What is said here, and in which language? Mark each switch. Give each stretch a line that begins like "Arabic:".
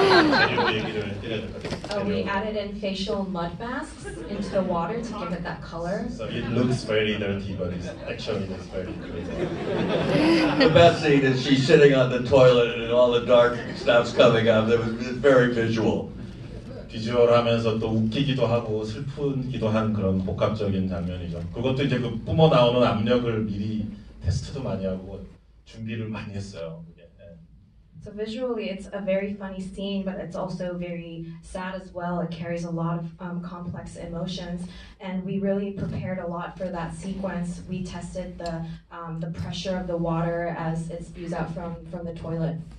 English: We added in facial mud masks into the water to give it that color. So it looks very dirty, but it's actually it's very clean. The best thing is she's sitting on the toilet and all the dark stuff's coming up. It was very visual.
Korean: 비주얼하면서 또 웃기기도 하고 슬프기도 한 그런 복합적인 장면이죠. 그것도 이제 그 뿜어 나오는 압력을 미리 테스트도 많이 하고 준비를 많이 했어요. 그게.
English: So visually, it's a very funny scene, but it's also very sad as well. It carries a lot of complex emotions, and we really prepared a lot for that sequence. We tested the pressure of the water as it spews out from the toilet.